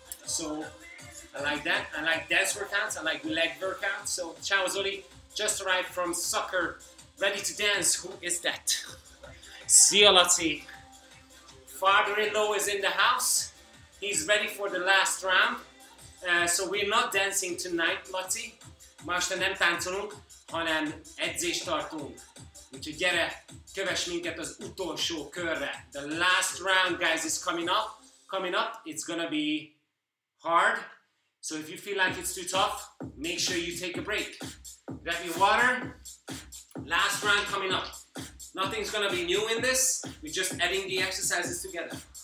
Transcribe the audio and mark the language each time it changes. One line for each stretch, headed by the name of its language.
English: So I like that. I like dance workouts. I like leg workouts. So ciao Zoli, just arrived from soccer, ready to dance. Who is that? See you, Lottie. Father-in-law is in the house. He's ready for the last round. So we're not dancing tonight, Lati.
Hungarian: Most nem táncolunk, hanem edzést tartunk. Úgyhogy gyere, kövess minket az utolsó körre.
English: The last round, guys, is coming up. It's gonna be hard. So if you feel like it's too tough, make sure you take a break. Grab your water. Last round coming up. Nothing's gonna be new in this. We're just adding the exercises together.